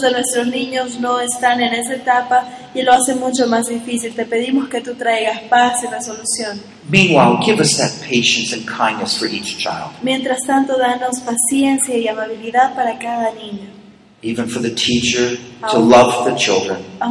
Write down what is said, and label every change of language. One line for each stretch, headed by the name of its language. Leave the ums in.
Spanish: de nuestros niños no están en esa etapa y lo hace mucho más difícil. Te pedimos que tú traigas paz y resolución. solución.
English: Give us that patience and kindness for each child.
Spanish: Mientras tanto, danos paciencia y amabilidad para cada niño.
English: even for the teacher to love
Spanish: para,
English: the children.